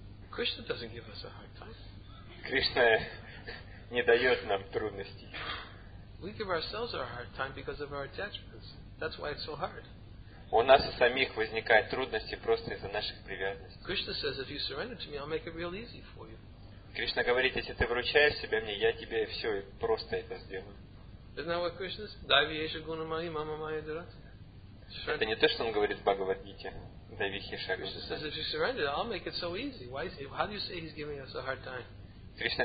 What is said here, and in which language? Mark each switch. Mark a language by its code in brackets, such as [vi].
[en] Krishna doesn't give us a hard time. [ru] Krishna не дает нам трудностей. [en] We give ourselves a hard time because of our attachments. That's why it's so hard. [ru] У нас у самих возникают трудности просто из-за наших привязанностей. [en] Krishna says, if you surrender to me, I'll make it real easy for you. [ru] Krishna говорит, если ты вручаешь себя мне, я тебе все просто это сделаю. [en] Isn't that what Krishna says? [sa] Давиеша гуна мои, мама моя дурати. [ru] Это не то, что он говорит в Бхагавад-гите. Кришна